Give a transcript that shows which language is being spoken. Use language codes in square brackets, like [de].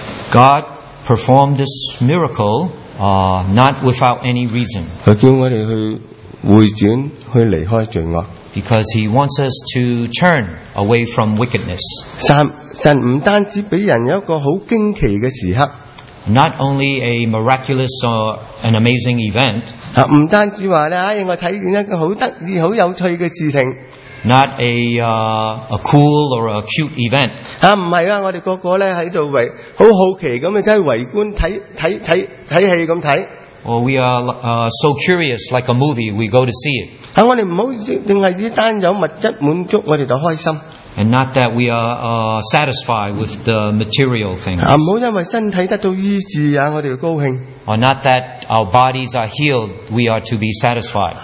[en] God performed this miracle, not without any reason. [zh] 他叫我们去 回转去离开罪恶, [en] because he wants us to turn away from wickedness. [zh] 神不单止给人有一个很惊奇的时刻, [en] not only a miraculous or an amazing event, [zh] 不单止说我看见一个很有趣的事情, [en] not a, a cool or a cute event, [zh] 不是啊,我们个个在这里很好奇地围观看戏。 [en] Or we are so curious, like a movie, we go to see it. And not that we are satisfied with the material things. Or not that our bodies are healed, we are to be satisfied.